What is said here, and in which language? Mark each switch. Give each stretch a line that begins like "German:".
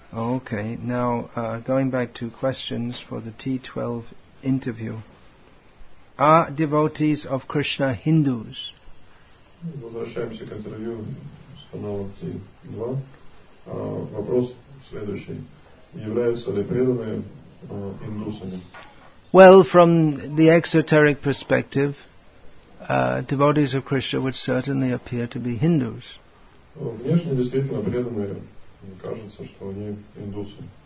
English: Okay, now going back to questions for the T12 interview. Are devotees of Krishna Hindus?
Russian: Возвращаемся к интервью с каналом T2. Вопрос следующий. Являются ли преданные индусами?
English: Well, from the exoteric perspective, devotees of Krishna would certainly appear to be Hindus.
Russian: Внешне действительно преданные, кажется, что они индусы.